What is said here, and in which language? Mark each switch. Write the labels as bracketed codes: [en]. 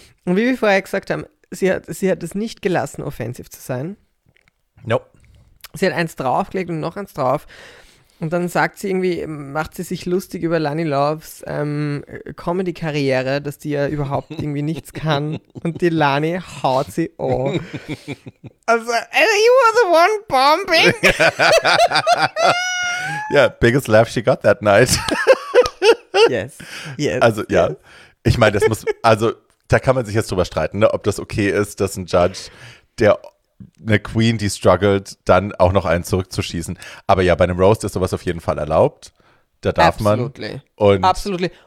[de] Und wie wir vorher gesagt haben, sie hat es nicht gelassen, offensiv zu sein. Nope. Sie hat eins draufgelegt und noch eins drauf. Und dann sagt sie irgendwie, macht sie sich lustig über Lani Loves Comedy-Karriere, dass die ja überhaupt irgendwie nichts kann. Und die Lani haut sie auch. [en] Also, you were the one bombing. Yeah, biggest laugh she got that night. Yes, yes. Also, yes. [de] Ja. Ich meine, das muss, also, da kann man sich jetzt drüber streiten, ne, ob das okay ist, dass ein Judge, der eine Queen, die struggelt, dann auch noch einen zurückzuschießen. Aber ja, bei einem Roast ist sowas auf jeden Fall erlaubt. Da darf [en] absolutely [de] man. Und absolutely.